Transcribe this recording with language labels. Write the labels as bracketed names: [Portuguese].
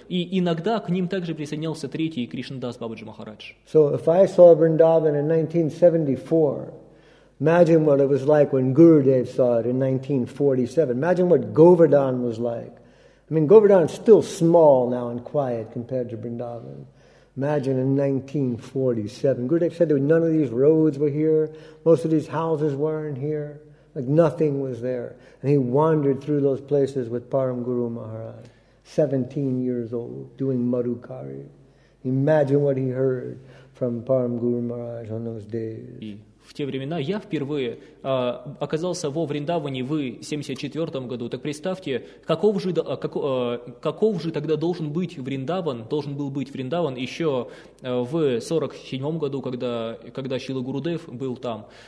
[Russian] И иногда к ним также присоединялся третий Кришнадас Бабаджи Махарадж. [English] So if I saw Vrindavan in 1974, imagine what it was like when Gurudev saw it in 1947. Imagine what Govardhan was like. I mean, Govardhan is still small now and quiet compared to Vrindavan. Imagine in 1947. Gurudev said there were none of these roads were here. Most of these houses weren't here. Like nothing was there. And he wandered through those places with Param Guru Maharaj, 17 years old, doing Madhukari. Imagine what he heard from Param Guru Maharaj on those days. [Russian] В те времена я впервые оказался во Вриндаване в 1974 году. Так представьте, каков же тогда должен быть Вриндаван, должен был быть Вриндаван еще в 1947 году, когда Шрила Гурудев был там.